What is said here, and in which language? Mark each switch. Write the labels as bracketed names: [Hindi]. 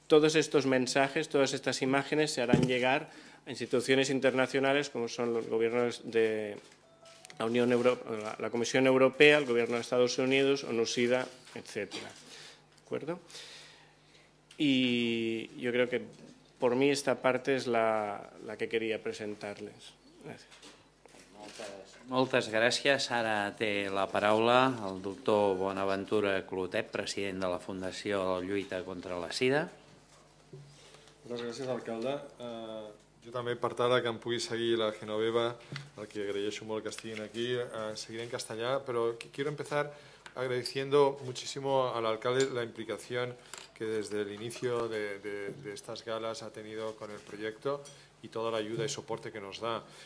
[Spanish] Todos estos mensajes, todas estas imágenes se harán llegar a instituciones internacionales como son los gobiernos de la Unión Europea, la Comisión Europea, el Gobierno de Estados Unidos, ONU-SIDA, etc. acuerdo. Y yo creo que por mí esta parte es la que quería presentarles. Gracias. [Catalan] Moltes gràcies. Ara té la paraula el doctor Bonaventura Clotet, president de la Fundació Lluita contra la Sida. Moltes gràcies, alcalde. Jo també, per tard, que em pugui seguir la Genoveva, el que agraeixo molt que estiguin aquí, seguiré en castellà, però [Spanish] quiero empezar agradeciendo muchísimo al alcalde la implicación que desde el inicio de estas galas ha tenido con el proyecto y toda la ayuda y soporte que nos da.